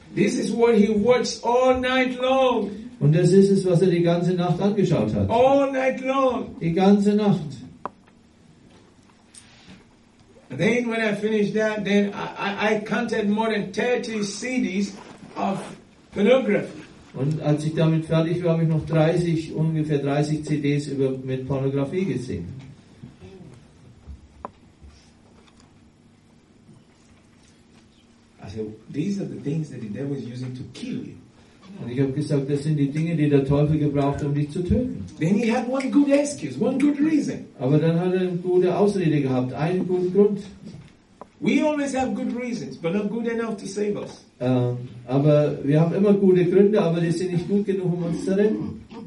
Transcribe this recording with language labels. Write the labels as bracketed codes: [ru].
[en] This is what he watched all night long. [de] Und das ist es, was er die ganze Nacht angeschaut hat. [en] All night long. [de] Die ganze Nacht. [en] Then when I finished that, then I counted more than 30 CDs of pornography. [de] Und als ich damit fertig war, habe ich noch ungefähr 30 CDs mit Pornografie gesehen. [en] I said, these are the things that the devil is using to kill you. [de] Und ich habe gesagt, das sind die Dinge, die der Teufel gebraucht, um dich zu töten. [en] Then he had one good excuse, one good reason. [de] Aber dann hat er eine gute Ausrede gehabt, einen guten Grund. [en] We always have good reasons, but not good enough to save us. [de] Aber wir haben immer gute Gründe, aber die sind nicht gut genug, um uns zu retten.